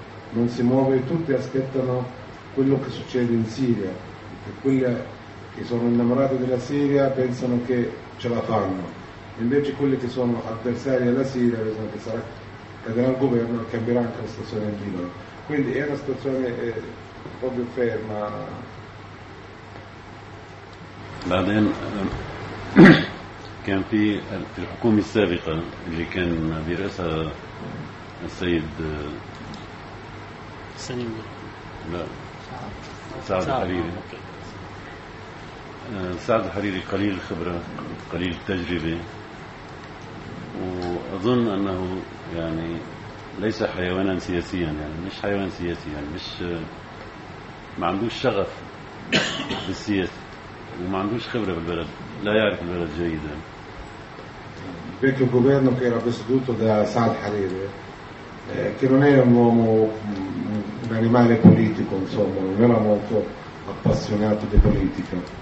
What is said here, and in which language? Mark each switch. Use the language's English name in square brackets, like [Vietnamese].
[Italian] Non si muove, tutti aspettano quello che succede in Siria, perché quelli che sono innamorati della Siria pensano che ce la fanno, invece quelli che sono avversari alla Siria pensano che sarà, cadrà il governo e cambierà anche la situazione in Libano, quindi è una situazione proprio ferma. [Arabic] Baden كان في الحكومة السابقة اللي كان برئاسة السيد سعد الحريري قليل الخبرة قليل التجربة وأظن أنه يعني ليس حيوانا سياسيا يعني مش حيوان سياسي يعني مش ما عندوش شغف بالسياسة وما عندوش خبرة بالبلد لا يعرف البلد جيدا. [Italian] Perché il governo che era presieduto da Saad Hariri, che non era un uomo, un animale politico, insomma, non era molto appassionato di politica.